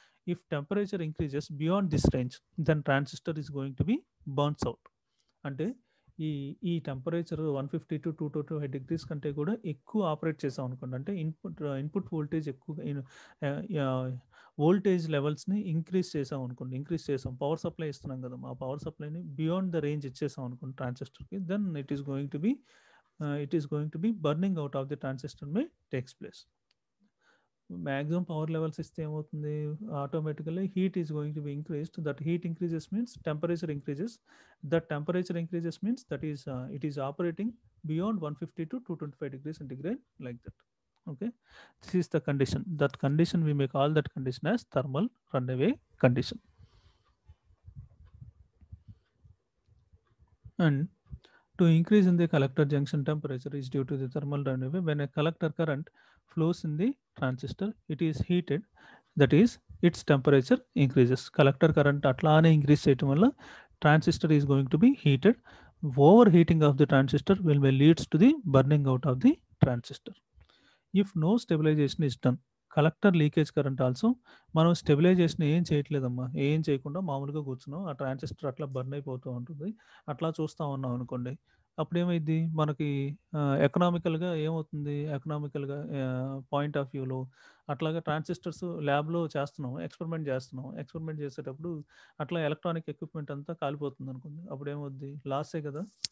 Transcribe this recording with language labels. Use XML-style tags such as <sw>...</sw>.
<en>If temperature increases beyond this range, then transistor is going to be burnt out.</en> <te>And ఈ temperature 150 to 225 degrees కంటే కూడా ఎక్కువ operate చేసాం అనుకోండి, అంటే ఇన్పుట్ వోల్టేజ్ ఎక్కువ, వోల్టేజ్ లెవెల్స్ని ఇంక్రీజ్ చేసాం అనుకోండి, ఇంక్రీజ్ చేసాం పవర్ సప్లై ఇస్తున్నాం కదా, ఆ పవర్ సప్లైని బియాండ్ ద రేంజ్ ఇచ్చేసాం అనుకోండి ట్రాన్సిస్టర్కి,</te> <en>Then it is going to be burning out of the transistor may takes place.</en> <te>Maximum power levels ఇస్తే ఏమవుతుంది,</te> <en>Automatically heat is going to be increased, that heat increases means temperature increases, that temperature increases means that is it is operating beyond 150 to 225 degrees centigrade like that. Okay, this is the condition. That condition we make all that condition as thermal run away condition. And to increase in the collector junction temperature is due to the thermal run away. When a collector current flows in the transistor, it is heated, that is its temperature increases. Collector current</en> <te>atlaane increase cheyatam valla</te> <en>transistor is going to be heated. Overheating of the transistor will be leads to the burning out of the transistor. If no stabilization is done,</en> <te>collector leakage current also, మనం stabilisation ఏం చేయట్లేదమ్మా, ఏం చేయకుండా మామూలుగా కూర్చున్నాం, ఆ transistor అట్లా burn అయిపోతూ ఉంటుంది, అట్లా చూస్తూ ఉన్నాం అనుకోండి, అప్పుడు ఏమైంది మనకి ఎకనామికల్గా ఏమవుతుంది, ఎకనామికల్గా పాయింట్ ఆఫ్ వ్యూలో అట్లాగే ట్రాన్సిస్టర్స్ ల్యాబ్లో చేస్తున్నాం, ఎక్స్పెరిమెంట్ చేస్తున్నాం, ఎక్స్పెరిమెంట్ చేసేటప్పుడు అట్లా ఎలక్ట్రానిక్ ఎక్విప్మెంట్ అంతా కాలిపోతుంది అనుకోండి, అప్పుడు ఏమవుద్ది, లాసే కదా.</te>